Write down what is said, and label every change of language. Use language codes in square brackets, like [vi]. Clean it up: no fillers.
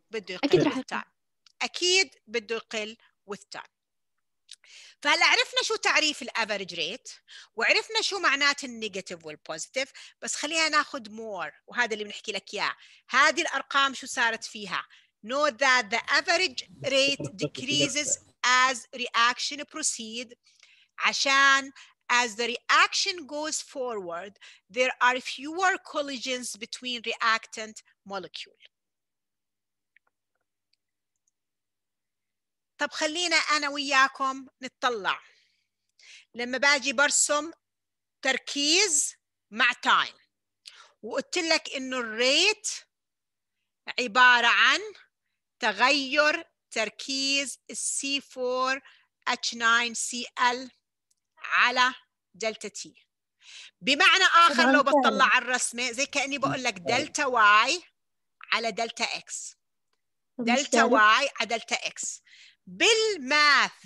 [ar] بده يقل [en] with time [ar] أكيد بده يقل with time فهلا عرفنا شو تعريف الأفريج ريت وعرفنا شو معنات النيجاتيف والبوزيتيف بس خلينا ناخد مور وهذا اللي بنحكي لك إياه هذه الأرقام شو صارت فيها؟ [en] Know that the average rate decreases as reaction proceed. [ar] عشان [en] as the reaction goes forward, there are fewer collisions between reactant molecule. [ar] طب خلينا أنا وياكم نتطلع. لما باجي برسم تركيز مع time. وقلت لك إنه rate عبارة عن تغير تركيز الـ C4H9Cl على دلتا T بمعنى آخر لو بطلع على الرسمة زي كأني بقول لك دلتا Y على دلتا X دلتا Y على دلتا X بالماث